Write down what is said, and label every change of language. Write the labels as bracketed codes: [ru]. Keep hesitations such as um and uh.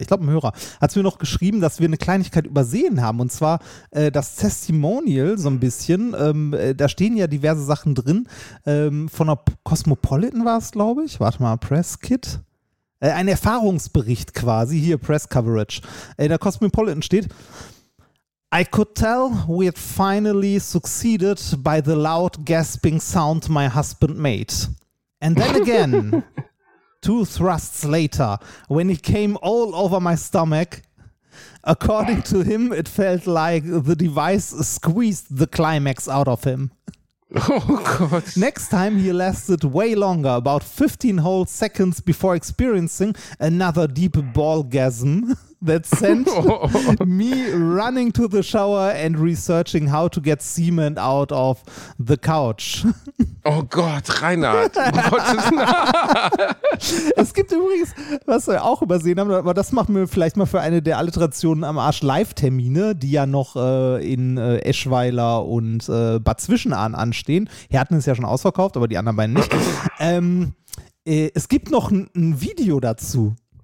[de] Ich glaube, ein Hörer hat es mir noch geschrieben, dass wir eine Kleinigkeit übersehen haben. Und zwar äh, das Testimonial so ein bisschen. Ähm, äh, da stehen ja diverse Sachen drin. Ähm, von der P- Cosmopolitan war es, glaube ich. Warte mal, Press Kit. Äh, ein Erfahrungsbericht quasi, hier Press Coverage. In der Cosmopolitan steht, [en] I could tell we had finally succeeded by the loud gasping sound my husband made. And then again, two thrusts later, when he came all over my stomach, according to him, it felt like the device squeezed the climax out of him. [de] Oh Gott. [en] Next time he lasted way longer, about 15 whole seconds before experiencing another deep ballgasm that sent me running to the shower and researching how to get semen out of the couch. [de] Oh Gott, Reinhard. Um Gottes Namen. Es gibt übrigens, was wir auch übersehen haben, aber das machen wir vielleicht mal für eine der Alliterationen am Arsch Live-Termine, die ja noch äh, in äh, Eschweiler und äh, Bad Zwischenahn anstehen. Herten ist ja schon ausverkauft, aber die anderen beiden nicht. ähm, äh, es gibt noch ein, ein Video dazu.